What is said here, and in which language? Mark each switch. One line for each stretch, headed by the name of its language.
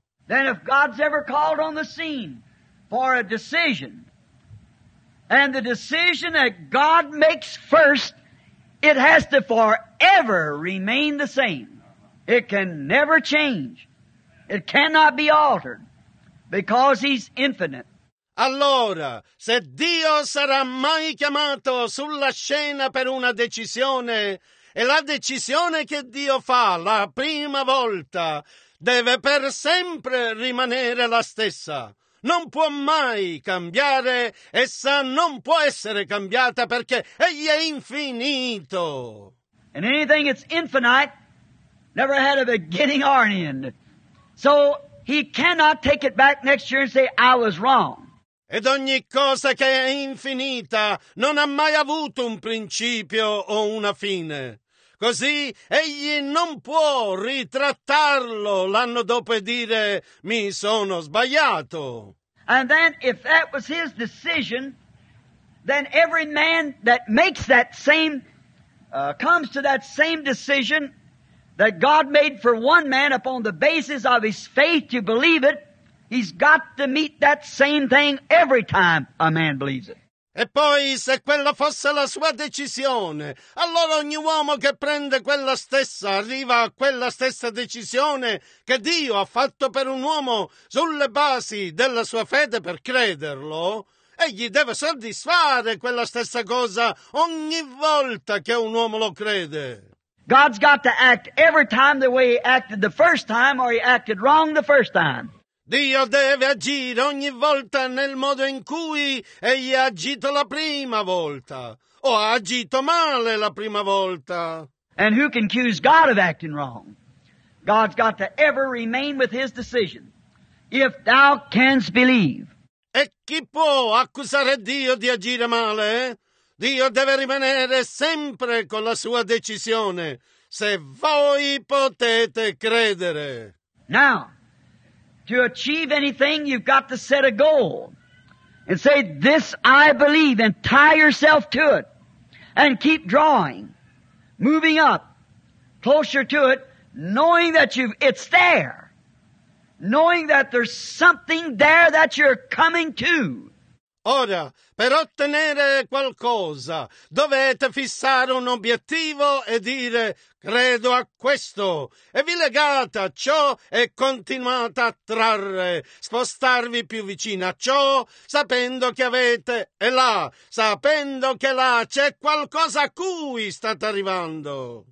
English: Then if God's ever called on the scene for a decision, and the decision that God makes first, it has to forever remain the same. It can never change. It cannot be altered because he's infinite.
Italian: Allora, se Dio sarà mai chiamato sulla scena per una decisione, e la decisione che Dio fa la prima volta deve per sempre rimanere la stessa. Non può mai cambiare, essa non può essere cambiata perché egli è infinito.
English: And anything that's infinite never had a beginning or an end. So he cannot take it back next year and say, I was wrong.
Italian: Ed ogni cosa che è infinita non ha mai avuto un principio o una fine. Così egli non può ritrattarlo l'anno dopo e dire, mi sono sbagliato.
English: And then if that was his decision, then every man that makes that same, comes to that same decision that God made for one man upon the basis of his faith to believe it, he's got to meet that same thing every time a man believes it.
Italian: E poi, se quella fosse la sua decisione, allora ogni uomo che prende quella stessa arriva a quella stessa decisione che Dio ha fatto per un uomo sulle basi della sua fede per crederlo. Egli deve soddisfare quella stessa cosa ogni volta che un uomo lo crede.
English: God's got to act every time the way he acted the first time, or he acted wrong the first time.
Italian: Dio deve agire ogni volta nel modo in cui egli ha agito la prima volta, o ha agito male la prima volta.
English: And who can accuse God of acting wrong? God's got to ever remain with his decision. If thou canst believe.
Italian: E chi può accusare Dio di agire male? Dio deve rimanere sempre con la sua decisione, se voi potete credere.
English: Now, to achieve anything, you've got to set a goal and say, this I believe, and tie yourself to it and keep drawing, moving up closer to it, knowing that it's there, knowing that there's something there that you're coming to.
Italian: Ora, per ottenere qualcosa, dovete fissare un obiettivo e dire, credo a questo, e vi legate a ciò e continuate a trarre, spostarvi più vicino a ciò, sapendo che avete, e là, sapendo che là c'è qualcosa a cui state arrivando.